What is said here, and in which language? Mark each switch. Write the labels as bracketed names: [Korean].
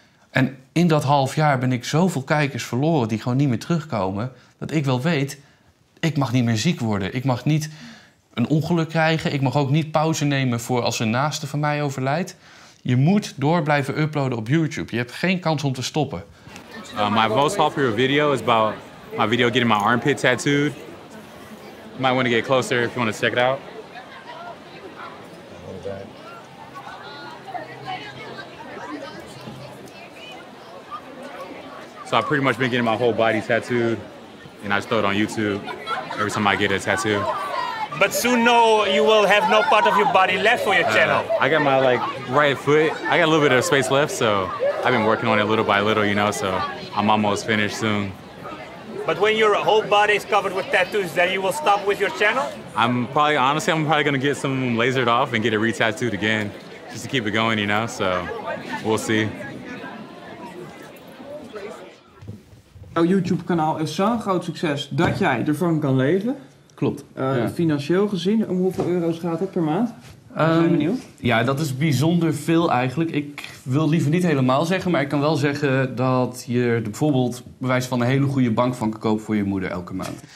[Dutch] En in dat half jaar ben ik zoveel kijkers verloren die gewoon niet meer terugkomen, dat ik wel weet... Ik mag niet meer ziek worden. Ik mag niet een ongeluk krijgen. Ik mag ook niet pauze nemen voor als een naaste van mij overlijdt. Je moet door blijven uploaden op YouTube. Je hebt geen kans om te stoppen. [English] My most popular video is about my video getting my armpit tattooed. You might want to get closer if you want to check it out. So I've pretty much been getting my whole body tattooed. And I just throw it on YouTube. Every time I get a tattoo. But soon, no, you will have no part of your body left for your channel. I got my, like, right foot. I got a little bit of space left, so I've been working on it little by little, you know, so I'm almost finished soon. But when your whole body is covered with tattoos, then you will stop with your channel? I'm probably gonna get some lasered off and get it re-tattooed again, just to keep it going, you know, so we'll see. [Dutch] Jouw YouTube-kanaal is zo'n groot succes dat jij ervan kan leven. Klopt. Financieel gezien, om hoeveel euro's gaat het per maand? Zijn benieuwd. Ja, dat is bijzonder veel eigenlijk. Ik wil liever niet helemaal zeggen, maar ik kan wel zeggen dat je bijvoorbeeld bewijs van een hele goede bank van kan kopen voor je moeder elke maand.